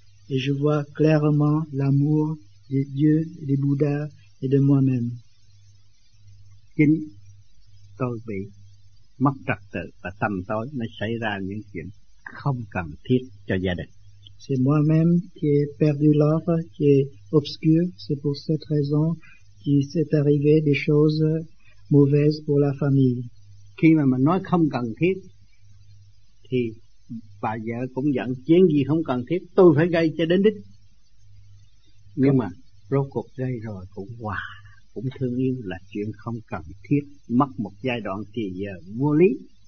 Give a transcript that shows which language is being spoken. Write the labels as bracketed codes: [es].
[fr] Et je vois clairement l'amour des dieux, des bouddhas et de moi-même. [vi] Chính tôi bị mất trật tự và tâm tối mới xảy ra những chuyện không cần thiết cho gia đình. [fr] C'est moi-même qui ai perdu l'ordre, qui est obscur. C'est pour cette raison qu'il s'est arrivé des choses mauvaises pour la famille. [vi] Khi mà mình nói không cần thiết, thì bà vợ cũng giận, chuyện gì không cần thiết, tôi phải gây cho đến đích. Nhưng mà rốt cuộc gây rồi cũng hòa, cũng thương yêu là chuyện không cần thiết, mất một giai đoạn thì giờ vô lý.